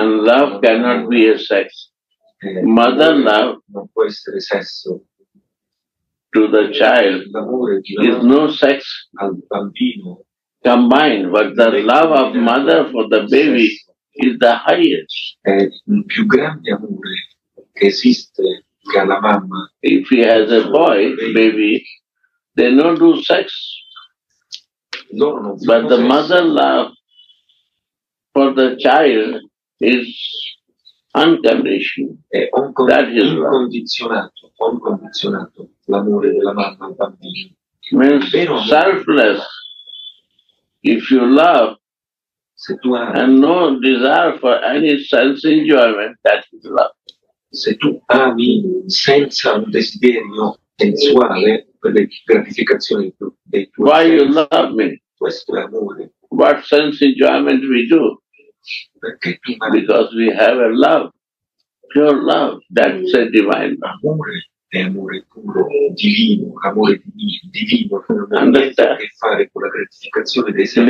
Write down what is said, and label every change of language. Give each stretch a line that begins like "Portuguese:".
English: And love cannot be a sex. Mother love
Italian: non può essere sesso.
English: To the child is no sex.
Italian: Al bambino.
English: Combined, but the love of mother for the baby is the highest.
Italian: È il più grande amore che esiste, che la mamma.
English: If he has a boy, baby, they don't do sex. But the mother love for the child is unconditional. That is love.
Italian: Incondizionato, l'amore della mamma al bambino.
English: Means selfless. If you love
Italian: se tu ami,
English: and no desire for any sense enjoyment, that is love.
Italian: Se tu ami senza un desiderio sensuale per le gratificazioni dei tuoi.
English: Why
Italian: sensi,
English: you love me?
Italian: Questo è amore.
English: What sense enjoyment we do?
Italian: Perché tu ami?
English: Because we have a love, pure love, that's a divine love.
Italian: Amore. È amore puro, divino, amore divino, che non ha niente a che fare con la gratificazione dei sensi.